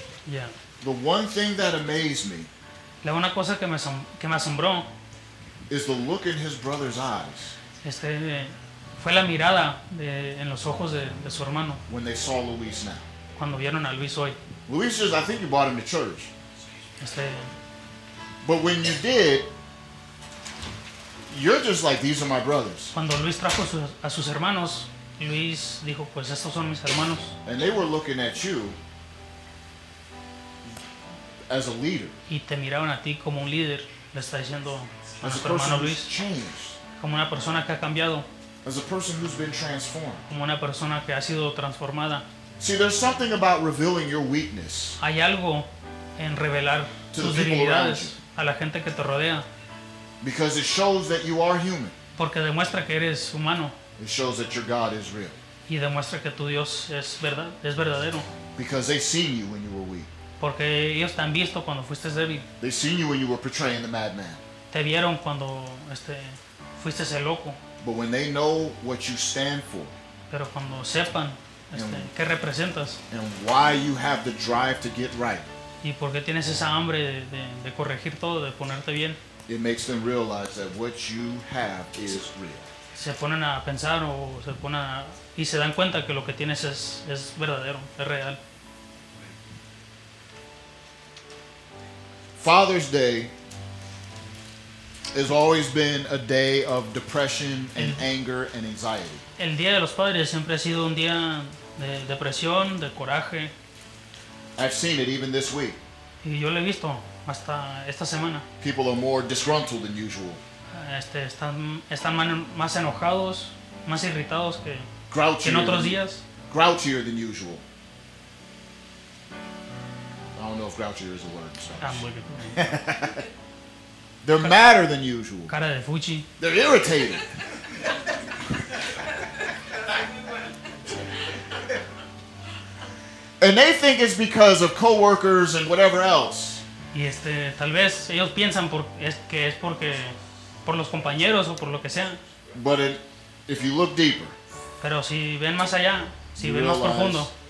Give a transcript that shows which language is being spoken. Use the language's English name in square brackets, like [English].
[English] Yeah. The one thing that amazed me. [Spanish] La una cosa que me asombró. [English] Is the look in his brother's eyes. [Spanish] Fue la mirada en los ojos de su hermano. [English] When they saw Luis now. [Spanish] Cuando vieron a Luis hoy. [English] Luis says, I think you brought him to church. But when you did. You're just like, these are my brothers. [Spanish] Cuando Luis trajo a sus hermanos, Luis dijo, pues estos son mis hermanos. [English] And they were looking at you as a leader. [Spanish] Y te miraban a ti como un líder. Le está diciendo a su hermano Luis. Como una persona que ha cambiado. [English] As a person who's been transformed. [Spanish] Como una persona que ha sido transformada. [English] See, there's something about revealing your weakness. [Spanish] Hay algo en revelar tus debilidades a la gente que te rodea. [English] Because it shows that you are human. [Spanish] Porque demuestra que eres humano. [English] It shows that your God is real. [Spanish] Y demuestra que tu Dios es verdadero. [English] Because they seen you when you were weak. [Spanish] Porque ellos te han visto cuando fuiste débil. [English] They seen you when you were portraying the madman. [Spanish] Te vieron cuando fuiste el loco. [English] But when they know what you stand for. [Spanish] Pero cuando sepan qué representas. [English] And why you have the drive to get right. [Spanish] Y por qué tienes esa hambre de corregir todo, de ponerte bien. [English] It makes them realize that what you have is real. [Spanish] Se ponen a pensar o se ponen a, y se dan cuenta que lo que tienes es verdadero, es real. [English] Father's Day has always been a day of depression and anger and anxiety. [Spanish] El día de los padres siempre ha sido un día de depresión, de coraje. [English] I've seen it even this week. [Spanish] Y yo lo he visto hasta esta semana. [English] People are more disgruntled than usual. [Spanish] Están más enojados, más irritados que [English] grouchier [Spanish] en otros días. [English] Grouchier than usual. I don't know if grouchier is a word. They're madder than usual. [Spanish] Cara de fuchi. [English] They're irritated. And they think it's because of coworkers and whatever else. [Spanish] Y tal vez ellos piensan que es porque por los compañeros o por lo que sea. [English] But if you look deeper. [Spanish] Pero si ven más allá, si ven más profundo.